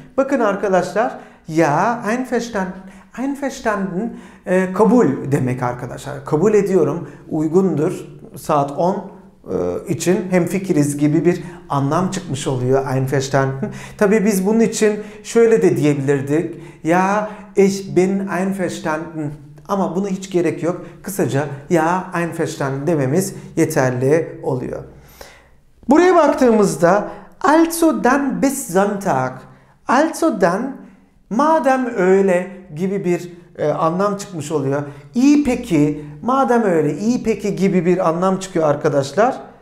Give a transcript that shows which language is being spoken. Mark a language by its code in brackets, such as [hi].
[tr] Bakın arkadaşlar. [de] Ja, einverstanden. [tr] Kabul demek arkadaşlar. Kabul ediyorum. Uygundur. Saat 10 için hemfikiriz gibi bir anlam çıkmış oluyor. Einverstanden. Tabii biz bunun için şöyle de diyebilirdik. [de] Ja, ich bin einverstanden. [tr] Ama buna hiç gerek yok. Kısaca [de] ja, einverstanden [tr] dememiz yeterli oluyor. Buraya baktığımızda [de] also dann bis Sonntag. Also dann, [tr] madem öyle gibi bir anlam çıkmış oluyor. İyi peki, madem öyle, iyi peki gibi bir anlam çıkıyor arkadaşlar.